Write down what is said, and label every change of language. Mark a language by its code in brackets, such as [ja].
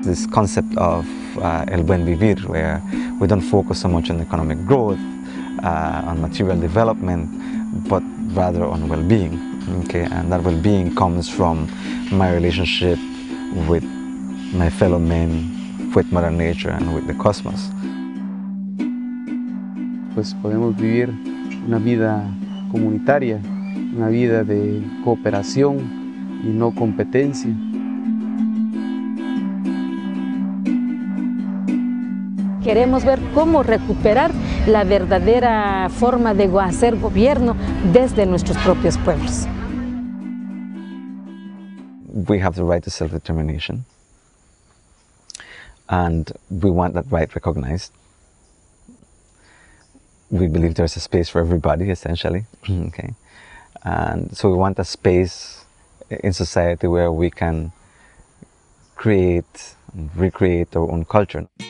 [en] Concept of el buen vivir, where we don't focus so much on economic growth, on material development, but rather on well-being. Okay, and that well-being comes from my relationship with my fellow men, with Mother Nature, and with the cosmos. [es] Pues podemos vivir una vida comunitaria, una vida de cooperación y no competencia. Queremos ver cómo recuperar la verdadera forma de hacer gobierno desde nuestros propios pueblos. [en] We have the right to self-determination, and we want that right recognized. We believe there's a space for everybody, essentially, okay? And so we want a space in society where we can create and recreate our own culture.